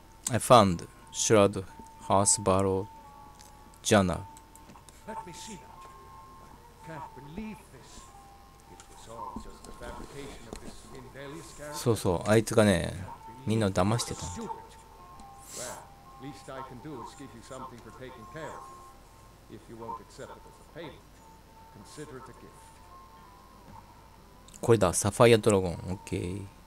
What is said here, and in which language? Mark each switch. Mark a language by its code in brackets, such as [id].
[en] I found Shroud, House Barrow, Jana. Let me see that. Can't believe this. It was all just a fabrication of this rebellious guy. [ja] そうそう、あいつがね、みんなを騙してた。 [en] Well, least I can do is give you something for taking care of. If you won't accept it as a payment, consider it a gift. [ja] これだ、サファイアドラゴン、OK。